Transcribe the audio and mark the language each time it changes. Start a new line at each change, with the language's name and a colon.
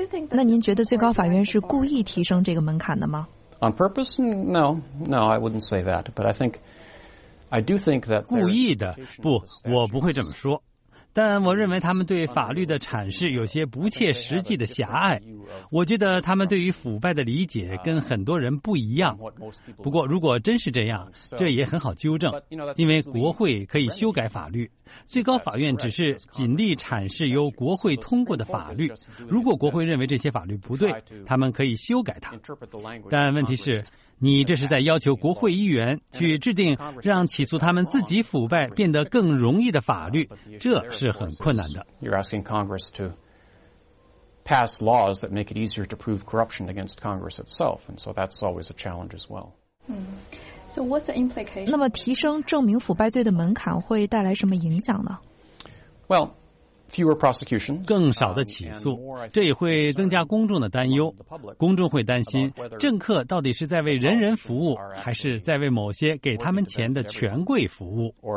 Chinese: 那您觉得最高法院是故意提升这个门槛的吗？
English: On purpose? No, no, I wouldn't say that. But I do think that
Chinese: 故意的？不，我不会这么说。但我认为他们对法律的阐释有些不切实际的狭隘。我觉得他们对于腐败的理解跟很多人不一样。不过如果真是这样，这也很好纠正，因为国会可以修改法律，最高法院只是尽力阐释由国会通过的法律。如果国会认为这些法律不对，他们可以修改它。但问题是，你这是在要求国会议员去制定让起诉他们自己腐败变得更容易的法律，这是很困难的。
English: You're asking Congress to pass laws that make it easier to prove corruption against Congress itself, and so that's always a challenge as well. So what's the implication?
Chinese: 那么提升证明腐败罪的门槛会带来什么影响呢？
English: Well,Fewer prosecution,
Chinese: 更少的起诉，这也会增加公众的担忧。公众会担心政客到底是在为人人服务，还是在为某些给他们钱的权贵服务。